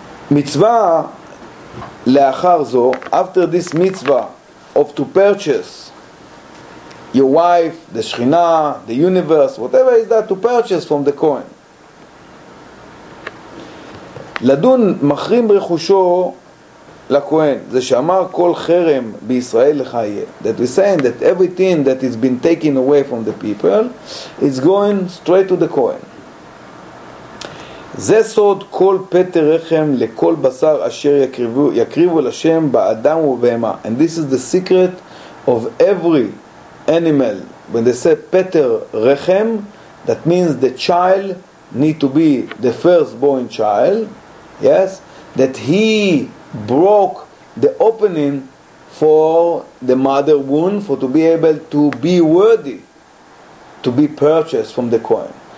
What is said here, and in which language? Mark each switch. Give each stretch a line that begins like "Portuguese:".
Hebrew: מצווה לאחר זו,
English: after this mitzvah of to purchase your wife, the שכינה, the universe, whatever is that, to purchase from the כהן.
Hebrew: לדון מחרים רכושו לכהן, זה שאמר כל חרם בישראל לחיה.
English: That we're saying that everything that has been taken away from the people is going straight to the כהן.
Hebrew: זה סוד כל פטר רחם לכל בשר אשר יקריבו לשם באדם ובהמה.
English: And this is the secret of every animal. When they say פטר רחם, that means the child need to be the firstborn child. Yes? That he broke the opening for the mother womb for to be able to be worthy to be purchased from the Kohen.